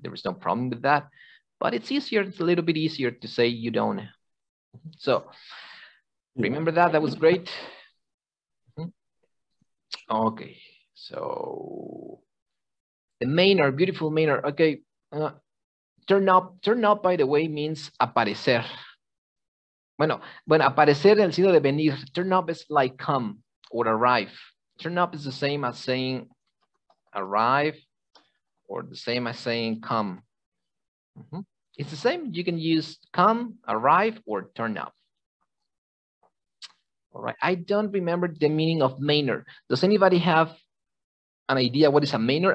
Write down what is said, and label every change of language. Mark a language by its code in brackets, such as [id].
[en] There is no problem with that. But it's easier. It's a little bit easier to say you don't. So remember that. That was great. Okay. So the manor, beautiful manor. Okay. Turn up, by the way, means aparecer. [es] Bueno, aparecer en el sentido de venir. [en] Turn up is like come or arrive. Turn up is the same as saying arrive or the same as saying come. Mm-hmm. It's the same. You can use come, arrive, or turn up. All right. I don't remember the meaning of manor. Does anybody have an idea what is a manor?